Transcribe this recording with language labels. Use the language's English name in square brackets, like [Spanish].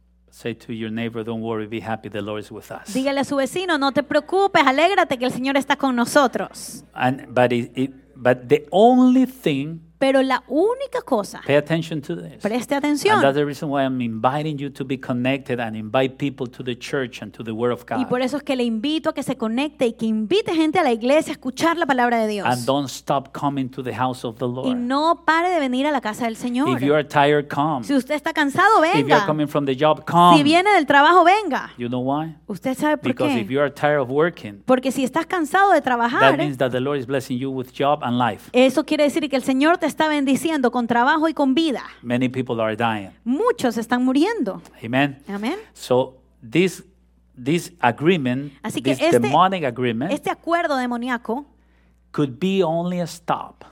[English] Say to your neighbor, don't worry, be happy, the Lord is with us. [Spanish] Dígale a su vecino, no te preocupes, alégrate que el Señor está con nosotros. [English] And, but it, it, But the only thing. [Spanish] Pero la única cosa. [English] Pay attention to this. [Spanish] Preste atención. [English] And that's the reason why I'm inviting you to be connected and invite people to the church and to the Word of God. [Spanish] Y por eso es que le invito a que se conecte y que invite gente a la iglesia a escuchar la palabra de Dios. [English] And don't stop coming to the house of the Lord. [Spanish] Y no pare de venir a la casa del Señor. [English] If you are tired, come. [Spanish] Si usted está cansado, venga. [English] If you are coming from the job, come. [Spanish] Si viene del trabajo, venga. [English] You know why? [Spanish] ¿Usted sabe por [English] Because [Spanish] qué? [English] If you are tired of working. [Spanish] Porque si estás cansado de trabajar. [English] That means that the Lord is blessing you with job and life. [Spanish] Eso quiere decir que el Señor te está bendiciendo con trabajo y con vida. [English] Many people are dying. [Spanish] Muchos están muriendo. [English] Amen. [Spanish] Amen. [English] So this agreement, [Spanish] Así que [English] this [Spanish] este, [English] demonic agreement, [Spanish] este acuerdo demoníaco [English] could be only a stop.